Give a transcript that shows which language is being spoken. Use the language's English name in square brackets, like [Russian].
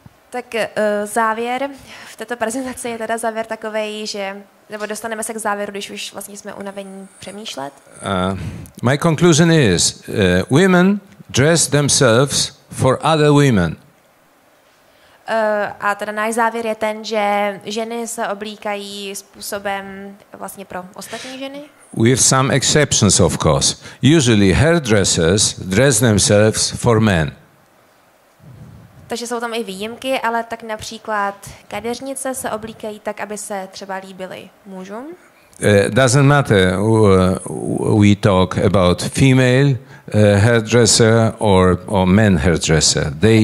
[Czech] Tak závěr v této prezentaci je teda závěr takovej, že nebo dostaneme se k závěru, když už vlastně jsme unavení přemýšlet. [English] My conclusion is, women dress themselves for other women. [Czech] A teda náš závěr je ten, že ženy se oblíkají způsobem vlastně pro ostatní ženy. [English] With some exceptions, of course. Usually hairdressers dress themselves for men. [Czech] Takže jsou tam i výjimky, ale tak například kadeřnice se oblíkají tak, aby se třeba líbily mužům. [English] Doesn't matter, we talk about female hairdresser or men hairdresser.